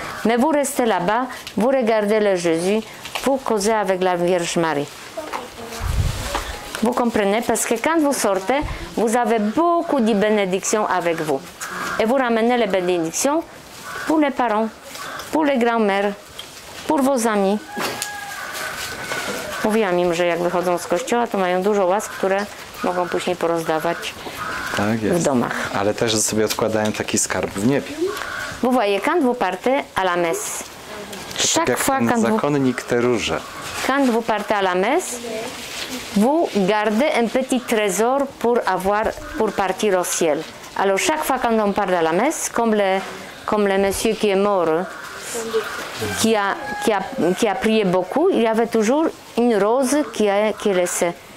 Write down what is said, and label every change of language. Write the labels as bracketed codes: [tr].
[fr] Mais vous restez là-bas, vous regardez le Jésus, vous causez avec la Vierge Marie. Vous comprenez? Parce que quand vous sortez, vous avez beaucoup de bénédictions avec vous. Et vous ramenez les bénédictions pour les parents, pour les grands-mères, pour vos amis. [pl] Mówiłam im, że jak wychodzą z kościoła, to mają dużo łask, które mogą później porozdawać tak jest. W domach. Ale też sobie odkładają taki skarb w niebie. [fr] Vous voyez, quand vous partez à la messe. Chaque fois quand vous [pl] zakonnik te róże. [fr] Quand vous partez à la messe, vous gardez un petit trésor pour partir au ciel. Alors chaque fois quand on part à la messe, comme le monsieur qui est mort, qui a prié beaucoup, il y avait toujours une rose qui laissait.